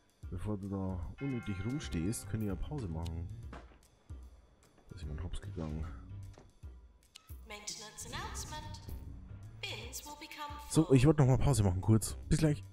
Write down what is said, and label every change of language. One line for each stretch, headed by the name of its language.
German: Bevor du da unnötig rumstehst, können wir ja Pause machen. Da ist jemand hops gegangen.
English: Maintenance announcement. Bins will become full.
German: So, ich wollte noch mal Pause machen, kurz. Bis gleich.